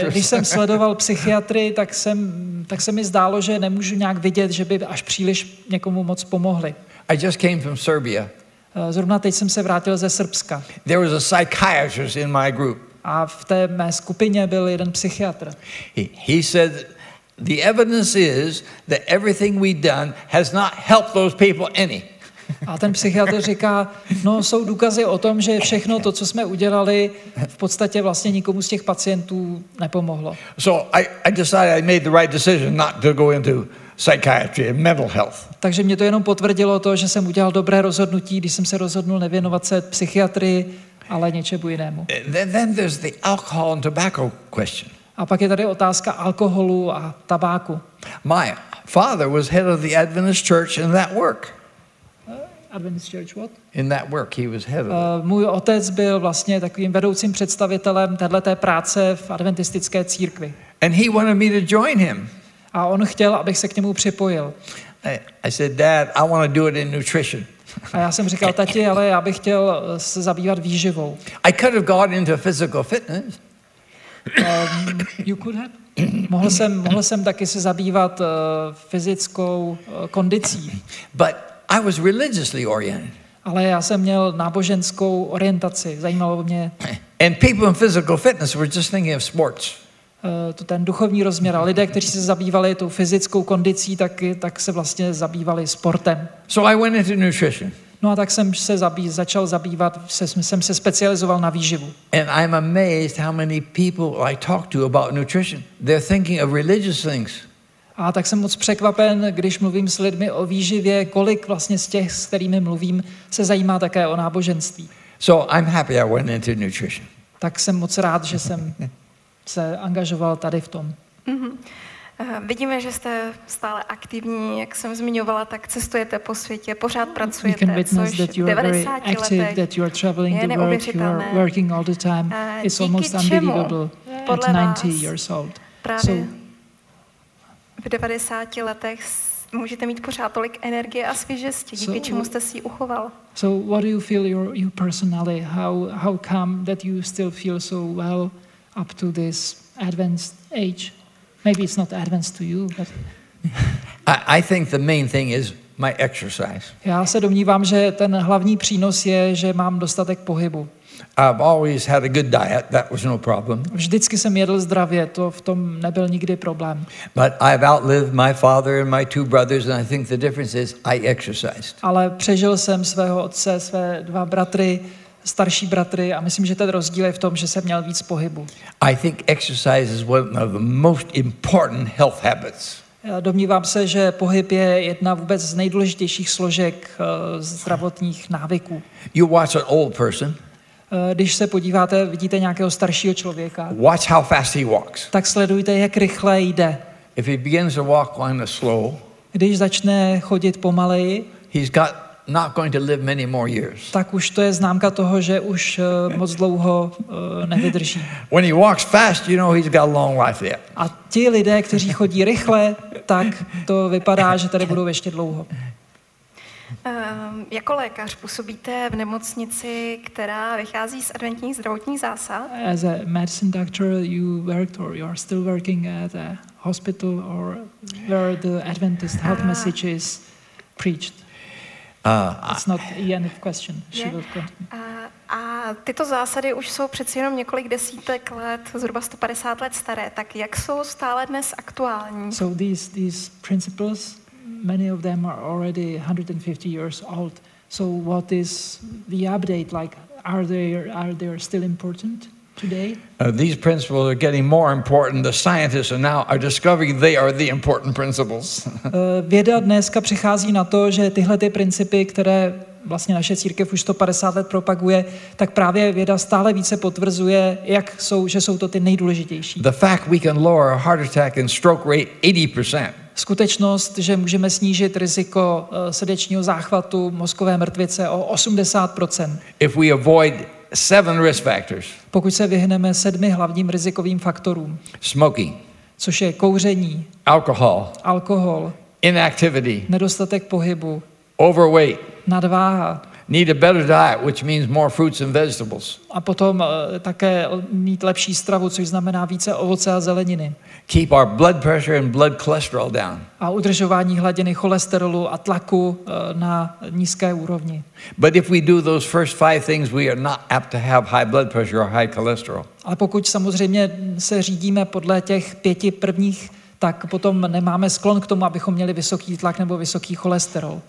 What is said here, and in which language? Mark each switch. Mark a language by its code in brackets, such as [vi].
[cs] Ale když jsem sledoval psychiatry, tak se mi zdálo, že nemůžu nějak vidět, že by až příliš někomu moc pomohli. [en] I just came from Serbia. [cs] Zrovna teď jsem se vrátil ze Srbska. [en] There was a psychiatrist in my group. [cs] A v té mé skupině byl jeden psychiatr. [en] He said, the evidence is that everything we've done has not helped those people any. [cs] A ten psychiatr říká, no jsou důkazy o tom, že všechno to, co jsme udělali, v podstatě vlastně nikomu z těch pacientů nepomohlo. [en] So I decided I made the right decision not to go into psychiatry and mental health. [cs] Takže mě to jenom potvrdilo to, že jsem udělal dobré rozhodnutí, když jsem se rozhodnul nevěnovat se psychiatrii, ale něčemu jinému. [en] Then there's the alcohol and tobacco question. [cs] A pak je tady otázka alkoholu a tabáku. [en] My father was head of the Adventist Church in that work. Adventist Church what? In that work he was head of. [cs] Můj otec byl vlastně takovým vedoucím představitelem téhleté práce v adventistické církvi. [en] And he wanted me to join him. [cs] A on chtěl, abych se k němu připojil. [en] I said, Dad, I want to do it in nutrition. [cs] A já jsem říkal, tati, ale já bych chtěl se zabývat výživou. [en] I could have gone into physical fitness. You could have. [cs] Mohl jsem taky se zabývat fyzickou kondicí. [en] But I was religiously oriented. [cs] Ale já jsem měl náboženskou orientaci. Zajímalo mě. [en] And people in physical fitness were just thinking of sports. [cs] To ten duchovní rozměr a lidé, kteří se zabývali tou fyzickou kondicí, tak se vlastně zabývali sportem. [en] So I went into nutrition. [cs] No a tak jsem se začal zabývat, jsem se specializoval na výživu. [en] And I'm amazed how many people I talk to about nutrition. They're thinking of religious things. [cs] A tak jsem moc překvapen, když mluvím s lidmi o výživě, kolik vlastně z těch, s kterými mluvím, se zajímá také o náboženství. [en] So I'm happy I went into nutrition. [cs] Tak jsem moc rád, že jsem se angažoval tady v tom. Mm-hmm. Vidíme, že jste stále aktivní, jak jsem zmiňovala, tak cestujete po světě, pořád pracujete, [en] you can witness [cs] což [en] that you are [cs] 90 [en] very active, [cs] letech [en] that you are traveling the world, you are working all the time. It's almost unbelievable at 90 years old. [cs] Právě v 90 letech můžete mít pořád tolik energie a svěžesti, díky čemu jste si ji uchoval. [en] So what do you feel your personality? How come that you still feel so well up to this advanced age? Maybe it's not advanced to you, but I think the main thing is my exercise. [cs] Já se domnívám, že ten hlavní přínos je, že mám dostatek pohybu. [en] I've always had a good diet, that was no problem. [cs] Vždycky jsem jedl zdravě, to v tom nebyl nikdy problém. [en] But I've outlived my father and my two brothers and I think the difference is I exercised. [cs] Ale přežil jsem svého otce, své dva bratry, starší bratry a myslím, že ten rozdíl je v tom, že jsem měl víc pohybu. [en] I think exercise is one of the most important health habits. [cs] Domnívám se, že pohyb je jedna vůbec z nejdůležitějších složek zdravotních návyků. [en] You watch an old person. [cs] Když se podíváte, vidíte nějakého staršího člověka. [en] Watch how fast he walks. [cs] Tak sledujte, jak rychle jde. [en] If he begins to walk kind of slow. [cs] Když začne chodit pomaleji. [en] He's got not going to live many more years. [cs] Tak už to je známka toho, že už moc dlouho nevydrží. [en] When he walks fast, you know he's got a long life yet. [cs] A ti lidé, kteří chodí rychle, tak to vypadá, že tady budou ještě dlouho. Jako lékař působíte v nemocnici, která vychází z adventních zdravotních zásad? [en] As a medicine doctor, you worked or you are still working at a hospital or where the Adventist health message is preached. It's not the end of question. She will continue. [cs] A tyto zásady už jsou přeci jenom několik desítek let, zhruba 150 let staré. Tak jak jsou stále dnes aktuální? [en] So these principles, many of them are already 150 years old. So what is the update like? Are they still important today? These principles are getting more important. The scientists are now are discovering they are the important principles. [cs] Věda dneska přichází na to, že tyhle ty principy, které vlastně naše církev už 150 let propaguje, tak právě věda stále více potvrzuje, že jsou to ty nejdůležitější. [en] The fact we can lower our heart attack and stroke rate 80%. [cs] Skutečnost, že můžeme snížit riziko srdečního záchvatu mozkové mrtvice o 80%. [en] If we avoid seven risk factors. [cs] Pokud se vyhneme sedmi hlavním rizikovým faktorům. [en] Smoking. [cs] Což je kouření. [en] Alcohol. [cs] Alkohol. [en] Inactivity. [cs] Nedostatek pohybu. [en] Overweight. [cs] Nadváha. [en] Need a better diet, which means more fruits and vegetables. [cs] A potom také mít lepší stravu, což znamená více ovoce a zeleniny. [en] Keep our blood pressure and blood cholesterol down. [cs] A udržování hladiny cholesterolu a tlaku na nízké úrovni. [en] But if we do those first five things, we are not apt to have high blood pressure or high cholesterol. [cs] Ale pokud samozřejmě se řídíme podle těch pěti prvních, tak potom nemáme sklon k tomu, abychom měli vysoký tlak nebo vysoký cholesterol.